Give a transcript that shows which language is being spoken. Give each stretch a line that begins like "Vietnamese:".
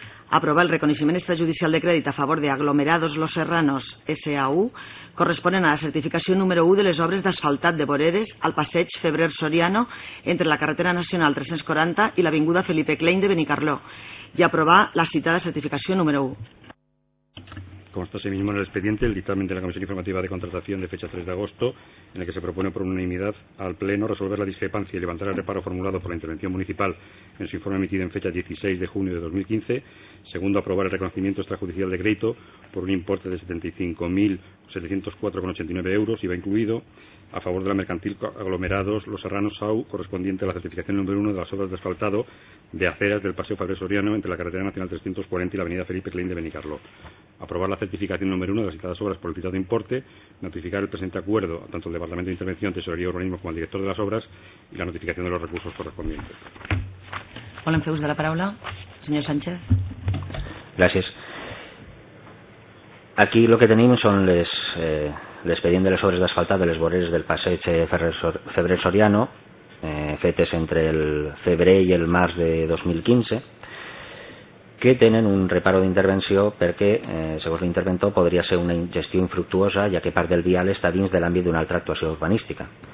Catalan: Aprovar el reconeixement extrajudicial de crèdit a favor de Aglomerados Los Serranos S.A.U. corresponen a la certificació número 1 de les obres d'asfaltat de voreres al passeig Febrer Soriano entre la carretera nacional 340 i l'avinguda Felipe Klein de Benicarló i aprovar la citada certificació número 1.
Spanish: Consta sí mismo en el expediente el dictamen de la Comisión Informativa de Contratación de fecha 3 de agosto, en el que se propone por unanimidad al Pleno resolver la discrepancia y levantar el reparo formulado por la Intervención Municipal en su informe emitido en fecha 16 de junio de 2015, segundo, aprobar el reconocimiento extrajudicial de crédito por un importe de 75.704,89 € y va incluido a favor de la mercantil Aglomerados Los Serranos SAU, correspondiente a la certificación número 1 de las obras de asfaltado de aceras del Paseo Fabre Soriano entre la carretera nacional 340 y la avenida Felipe Klein de Benicarló. Aprobar la certificación número 1 de las citadas obras por el citado importe, notificar el presente acuerdo tanto al Departamento de Intervención, Tesorería y Urbanismo como al director de las obras y la notificación de los recursos correspondientes.
Catalan: Volen fer ús de la paraula, señor Sánchez.
Spanish: Gracias. Aquí lo que tenemos son les...
Catalan: L'expedient de les obres d'asfaltat de les voreres del passeig Febrer Soriano, fetes entre el febrer i el març de 2015, que tenen un reparo d'intervenció perquè, segons l'interventor, podria ser una gestió infructuosa, ja que part del vial està dins de l'àmbit d'una altra actuació urbanística.